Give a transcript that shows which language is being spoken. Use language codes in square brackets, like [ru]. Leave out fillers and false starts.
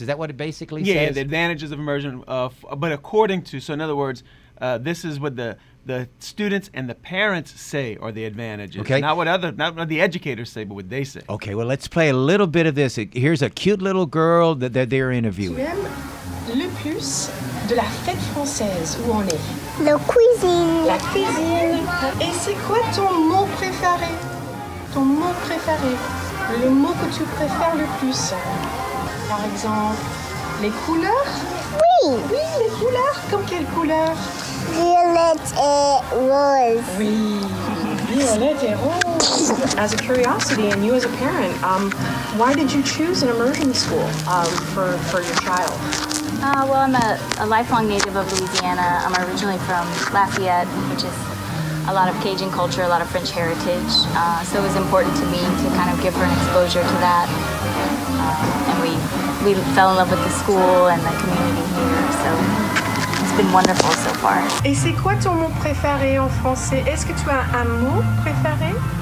[en] Is that what it basically says? Yeah, the advantages of immersion. In other words, this is what the students and the parents say are the advantages. Okay. Not what the educators say, but what they say. Okay, well, let's play a little bit of this. Here's a cute little girl that they're interviewing. [fr] Tu aimes le plus de la fête française, où on est? La cuisine. Et c'est quoi ton mot préféré? Le mot que tu préfères le plus? Par exemple, les couleurs? Oui. Oui, les couleurs. Comme quelles couleurs? Violette et rose. Oui, violette et rose. [en] As a curiosity, and you as a parent, why did you choose an immersion school for your child? Well, I'm a lifelong native of Louisiana. I'm originally from Lafayette, which is a lot of Cajun culture, a lot of French heritage. So it was important to me to kind of give her an exposure to that. And we fell in love with the school and the community here. So been wonderful so far. [fr] Et c'est quoi ton mot préféré en français? Est-ce que tu as un mot préféré?